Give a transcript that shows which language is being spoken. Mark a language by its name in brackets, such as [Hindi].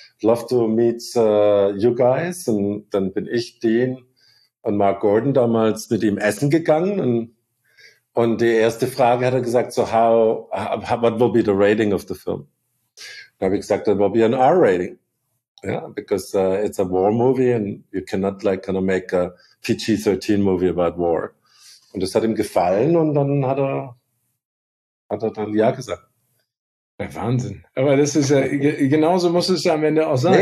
[English] Love to meet you guys. [German] Und dann bin ich Dean und Mark Gordon damals mit ihm essen gegangen und die erste Frage hat er gesagt, [English] so how what will be the rating of the film? [German] Da habe ich gesagt, [English] it will be an R rating. Yeah, because it's a war movie and you cannot like kind of make a PG-13 movie about war. [German] Und das hat ihm gefallen und dann hat er dann ja gesagt. Der Wahnsinn. Aber das ist ja, genauso muss es ja am Ende auch sein.